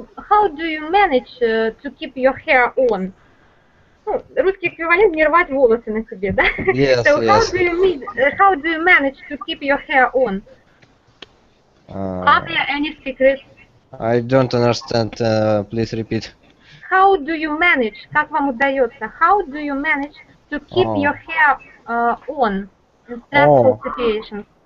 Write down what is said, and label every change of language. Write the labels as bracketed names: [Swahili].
[English] How do you manage to keep your hair on? [Russian] Русский эквивалент не рвать волосы на себе, да? [English] Yes. So yes. How do you manage to keep your hair on? Are there any secrets? I don't understand. Please repeat. How do you manage? [Russian] Как вам удается? [English] How do you manage to keep your hair on in stressful situations?